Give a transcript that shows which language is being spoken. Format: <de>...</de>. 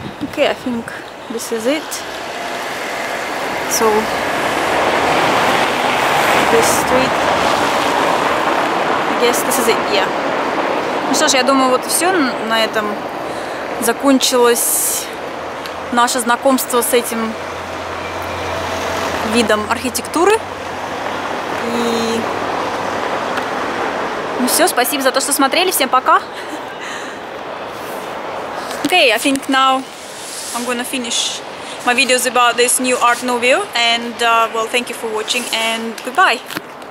<en>Okay, I think this is it. So this street, I guess this is it, yeah.</en> <ru>Ну что ж, я думаю, вот и все. На этом закончилось наше знакомство с этим видом архитектуры. И ну все, спасибо за то, что смотрели. Всем пока.</ru> <en>Okay, I think now I'm gonna finish my videos about this new Art Nouveau, and well, thank you for watching, and goodbye!</en>